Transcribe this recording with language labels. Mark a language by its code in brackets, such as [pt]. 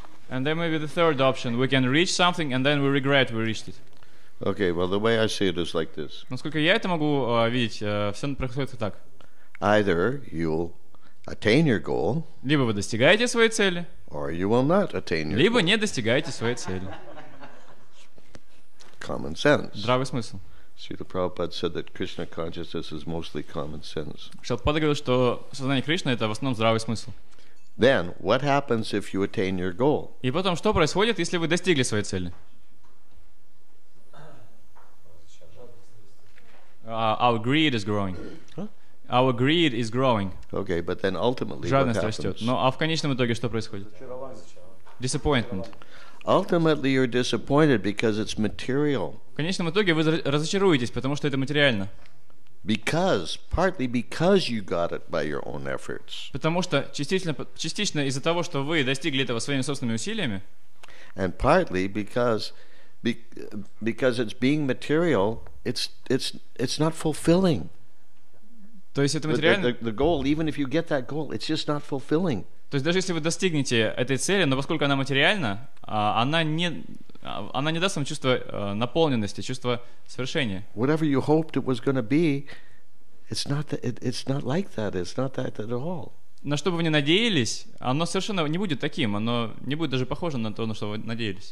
[en] And then maybe the third option, we can reach something and then we regret we reached it. Okay, well the way I see it is like this. [ru] Насколько я это могу видеть, все происходит так. [en] Either you'll attain your goal. [ru] Либо вы достигаете своей цели. [en] Or you will not attain your. [ru] Либо не достигаете своей цели. [en] Common sense. [ru] Здравый смысл. [en] Srila Prabhupada said that Krishna consciousness is mostly common sense. [ru] Шрила говорил, что сознание Кришны — это в основном здравый смысл. [en] Then what happens if you attain your goal? [ru] И потом что происходит, если вы достигли своей цели? [en] Our greed is growing. Huh? Our greed is growing. Okay, but then ultimately [ru] жадность [en] what happens? [ru] Растет. А в конечном итоге что происходит? [en] Disappointment. Ultimately, you're disappointed because it's material. [ru] В конечном итоге вы разочаруетесь, потому что это материально. [en] Because, partly because you got it by your own efforts. [ru] Потому что частично из-за того, что вы достигли этого своими собственными усилиями. [en] And partly because it's being material, it's not fulfilling. [ru] То есть это материально. [en] The goal, even if you get that goal, it's just not fulfilling. [ru] То есть даже если вы достигнете этой цели, но поскольку она материальна, она не даст вам чувство наполненности, чувство свершения. [en] Whatever you hoped it was going to be, it's not like that. It's not that at all. [ru] На что бы вы ни надеялись, оно совершенно не будет таким. Оно не будет даже похоже на то, на что вы надеялись.